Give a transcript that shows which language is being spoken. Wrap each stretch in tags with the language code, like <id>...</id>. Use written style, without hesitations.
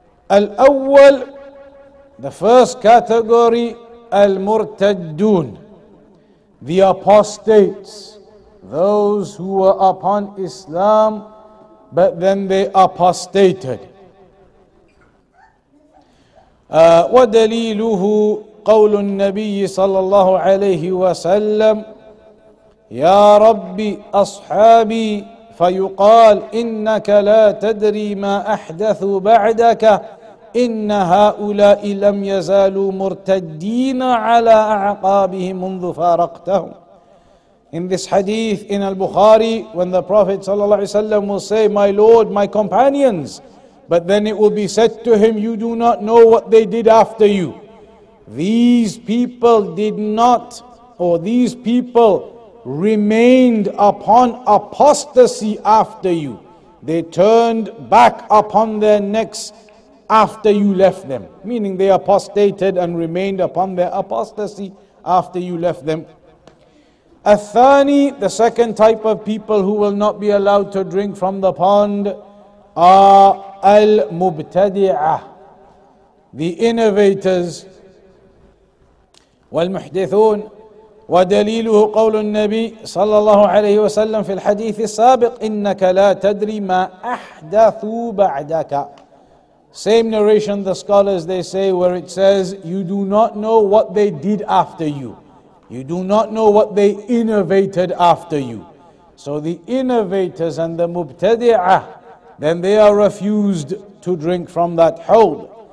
<en>الأول, the first category, المرتدون, the apostates, those who were upon Islam, but then they apostated.</en> <ar>ودليله قول النبي صلى الله عليه وسلم يا ربي أصحابي فيقال إنك لا تدري ما أحدث بعدك إن هؤلاء لم يزالوا مرتدين على أعقابهم منذ فارقتهم.</ar> <en>In this hadith in al-Bukhari, when the Prophet صلى الله عليه وسلم will say, my Lord, my companions, but then it will be said to him, you do not know what they did after you. These people did not, or these people remained upon apostasy after you. They turned back upon their necks after you left them, meaning they apostated and remained upon their apostasy after you left them. الثاني, the second type of people who will not be allowed to drink from the pond, are المبتدعه, the innovators.</en> <ar>والمحدثون, ودليله قول النبي صلى الله عليه وسلم في الحديث السابق إنك لا تدري ما أحدثوا بعدك.</ar> <en>Same narration, the scholars, they say, where it says, you do not know what they did after you. You do not know what they innovated after you. So the innovators and the mubtadi'ah, then they are refused to drink from that hawd.</en>